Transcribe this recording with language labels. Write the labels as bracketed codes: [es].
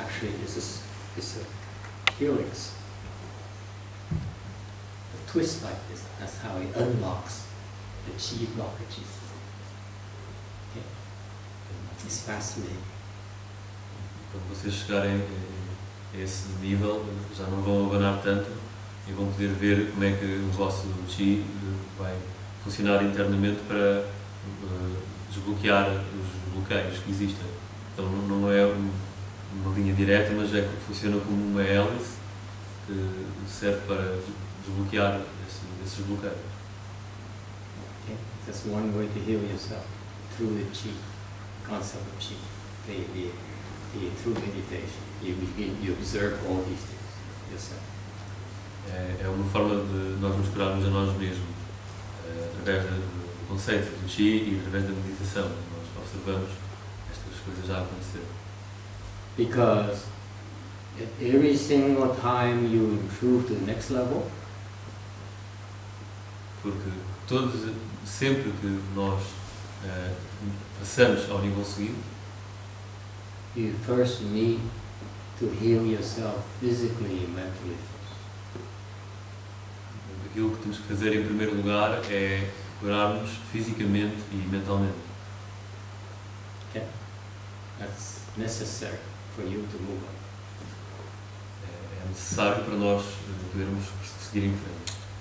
[en] Actually this is it's a helix. A twist like this, that's how it unlocks the chi blockages. Okay. It's fascinating. [pt] Quando vocês chegarem a esse nível, já não vão abanar tanto. E vão poder ver como é que o vosso chi vai funcionar internamente para desbloquear os bloqueios que existem. Então não é uma linha direta, mas é que funciona como uma hélice que serve para desbloquear esses bloqueios. [en] That's one way to heal yourself through the qi, concept of qi, the through meditation. You observe all these things yourself. [pt] É uma forma de nós nos curarmos a nós mesmos, através do conceito do qi e através da meditação. Nós observamos estas coisas já acontecer. [en] Because at every single time you improve to the next level, [pt] porque todos, sempre que nós passamos ao nível seguinte, [en] you first need to heal yourself physically and mentally first. [pt] Aquilo que temos que fazer em primeiro lugar é curarmos fisicamente e mentalmente. [en] Okay. That's necessary for you to move on. [pt] É necessário para nós podermos seguir em frente.